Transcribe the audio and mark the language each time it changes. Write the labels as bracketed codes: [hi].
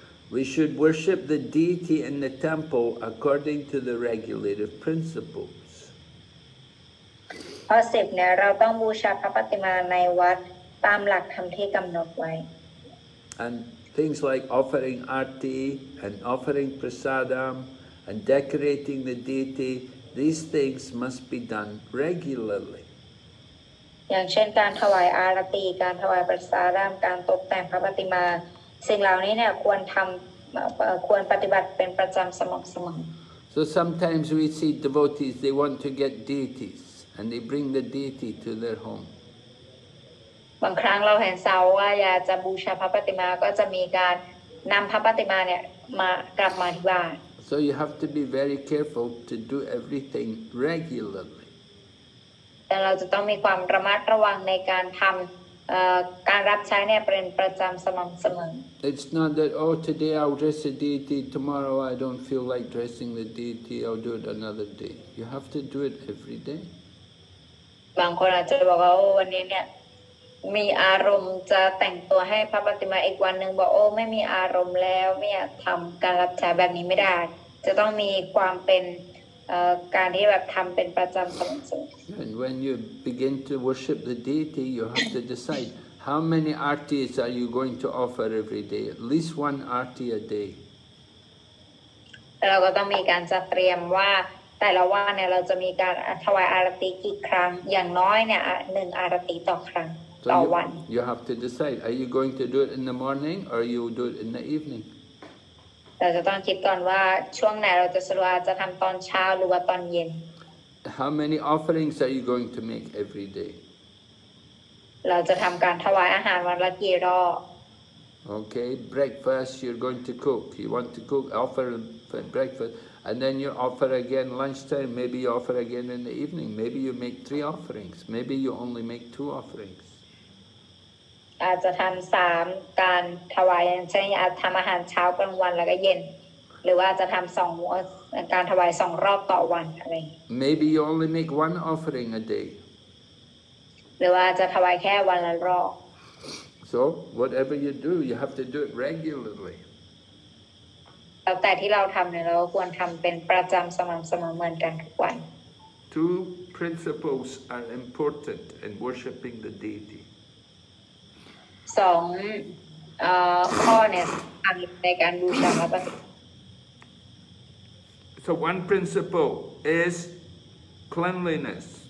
[en] We should worship the deity in the temple according to the regulative principles. [th] ข้อ 10 เนี่ยเราต้องบูชาพระปฏิมาในวัดตามหลักธรรมที่กำหนดไว้ [en] And things like offering arti and offering prasadam and decorating the deity, these things must be done regularly. [th] อย่างเช่นการถวายอารติการถวายปัสสาระการตกแต่งพระปฏิมาสิ่งเหล่านี้เนี่ยควรทำควรปฏิบัติเป็นประจำสม่ำเสม อ [en] So sometimes we see devotees they want to get deities and they bring the deity to their home [th] บางครั้งเราเห็นสาวว่าอยากจะบูชาพระปฏิมาก็จะมีการนำพระปฏิมาเนี่ยมากลับมาที่บ้าน [en] So you have to be very careful to do everything regularly [th] แต่เราจะต้องมีความระมัดระวังในการทำการรับใช้เนี่ยเป็นประจำสม่ำเสมอ [en] It's not that oh today I'll dress the deity tomorrow I don't feel like dressing the deity I'll do it another day you have to do it every day [th] บางคนอาจจะบอกว่าโอ้วันนี้เนี่ยมีอารมณ์จะแต่งตัวให้พระปฏิมาอีกวันนึงบอกโอ้ไม่มีอารมณ์แล้วไม่อยากทำการรับใช้แบบนี้ไม่ได้จะต้องมีความเป็นการที่แบบทำเป็นประจำสม่ำเสมอ [en] And when you begin to worship the deity, you have to decide how many artis are you going to offer every day. At least one arti a day. [th] เราก็ต้องมีการจัดเตรียมว่าแต่ละวันเนี่ยเราจะมีการถวายอารติกี่ครั้งอย่างน้อยเนี่ยหนึ่งอารติต่อครั้งต่อวัน [en] You have to decide: Are you going to do it in the morning or you do it in the evening? [th] เราจะต้องคิดก่อนว่าช่วงไหนเราจะสรุปว่าจะทำตอนเช้าหรือว่าตอนเย็น [en] How many offerings are you going to make every day? [th] เราจะทำการถวายอาหารวันละกี่รอบ [en] Okay, breakfast you're going to cook. You want to cook, offer for breakfast, and then you offer again lunchtime. Maybe you offer again in the evening. Maybe you make 3 offerings. Maybe you only make 2 offerings. [th] อาจจะทำ3การถวายอย่างเช่นอาจทำอาหารเช้ากลางวันแล้วก็เย็นหรือว่าจะทำ2การถวาย2รอบต่อวันอะไร [en] Maybe you only make one offering a day [th] หรือว่าจะถวายแค่วันละรอบ [en] So whatever you do you have to do it regularly [th] แล้วแต่ที่เราทำเนี่ยเราก็ควรทำเป็นประจำสม่ำเสมอเหมือนกันทุกวัน [en] Two principles are important in worshiping the deity [th] 2ข้อเนี่ยสำคัญในการบูชาพระปฏิมา [en] So one principle is cleanliness.